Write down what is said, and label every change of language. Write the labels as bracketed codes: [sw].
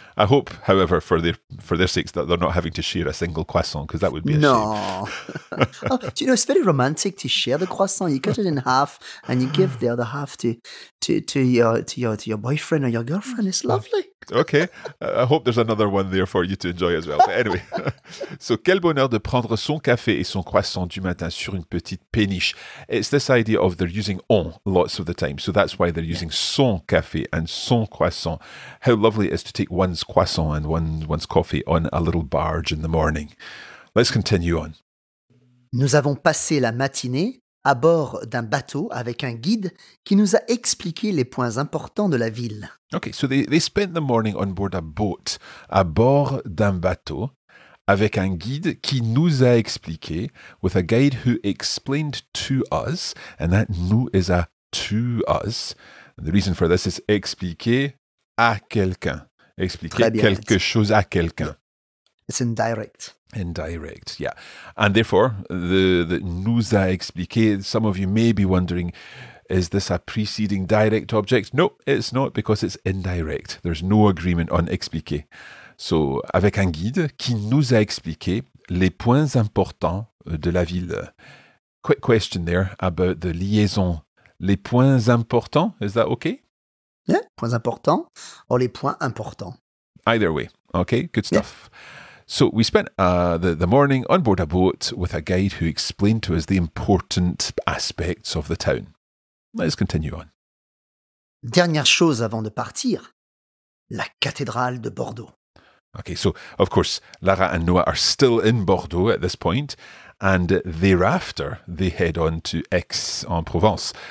[en] I hope, however, for their sakes, that they're not having to share a single croissant, because that would be a shame. Oh, you know, it's very romantic to share the croissant. You cut it in half and you give the other half to your boyfriend or your girlfriend. It's lovely. Okay. I hope there's another one there for you to enjoy as well. But anyway. [fr] So, quel bonheur de prendre son café et son croissant du matin sur une petite péniche. [en] It's this idea of they're using on lots of the time. So, that's why they're using [fr] son café [en] and [fr] son croissant. [en] How lovely it is to take one's croissant and one's coffee on a little barge in the morning. Let's continue on. [fr] Nous avons passé la matinée à bord d'un bateau avec un guide qui nous a expliqué les points importants de la ville. [en] Okay, so they spent the morning on board a boat, [fr] à bord d'un bateau, avec un guide qui nous a expliqué, [en] with a guide who explained to us, and that nous is a to us. And the reason for this is [fr] expliquer à quelqu'un. Expliquer quelque chose à quelqu'un. [en] It's indirect. Indirect, yeah. And therefore, the [fr] nous a expliqué, [en] some of you may be wondering, is this a preceding direct object? No, it's not, because it's indirect. There's no agreement on expliqué. [fr] So, avec un guide qui nous a expliqué les points importants de la ville. [en] Quick question there about the liaison. [fr] Les points importants, [en] is that okay? [fr] Yeah, points importants, or les points importants. [en] Either way, okay, good stuff. Yeah. So we spent the morning on board a boat with a guide who explained to us the important aspects of the town. Let's continue on. [fr] Dernière chose avant de partir, la cathédrale de Bordeaux. [en] Okay, so of course, Lara and Noah are still in Bordeaux at this point, and thereafter they head on to Aix-en-Provence.